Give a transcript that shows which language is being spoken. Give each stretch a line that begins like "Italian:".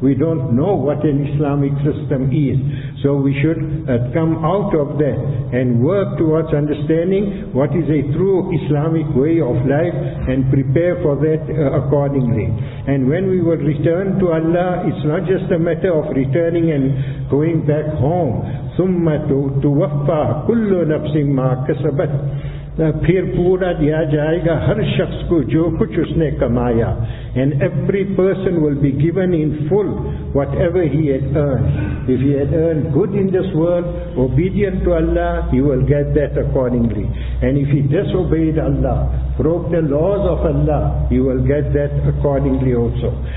English: We don't know what an Islamic system is. So we should come out of that and work towards understanding what is a true Islamic way of life and prepare for that accordingly. And when we will return to Allah, it's not just a matter of returning and going back home.
Arabic: ثُمَّ تُوَفَّى كُلُّ نَفْسٍ مَا كَسَبَتْ
Urdu: پھر پورا دیا جائے گا ہر شخص کو جو کچھ اس نے کمایا.
English: And every person will be given in full whatever he had earned. If he had earned good in this world, obedient to Allah, he will get that accordingly. And if he disobeyed Allah, broke the laws of Allah, he will get that accordingly also.